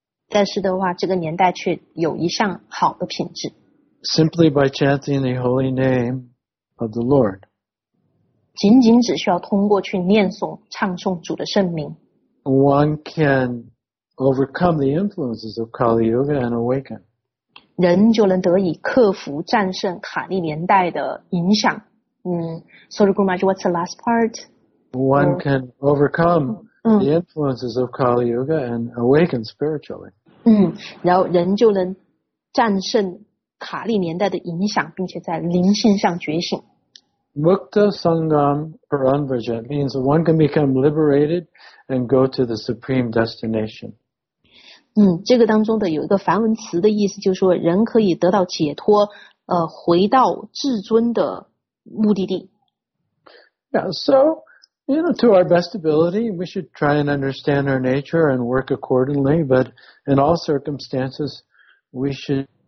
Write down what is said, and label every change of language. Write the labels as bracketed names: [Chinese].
[Chinese] 但是的话，这个年代却有一项好的品质。 [English] Simply by chanting the holy name of the Lord. [Chinese] 仅仅只需要通过去念诵、唱诵主的圣名。 [English] One can overcome the influences of Kali Yuga and awaken. [Chinese] 人就能得以克服、战胜卡利年代的影响。 [English] Sorry, Gurumaji, what's the last part? One can overcome the influences of Kali Yuga and awaken spiritually. [Chinese] 然后人就能战胜卡利年代的影响，并且在灵性上觉醒。 [English] Mukta Sangam Paramvraja means one can become liberated and go to the supreme destination. [Chinese] 这个当中的有一个梵文词的意思，就是说人可以得到解脱，回到至尊的目的地。 [English] Yeah, so, you know, to our best ability, we should try and understand our nature and work accordingly, but in all circumstances, we should.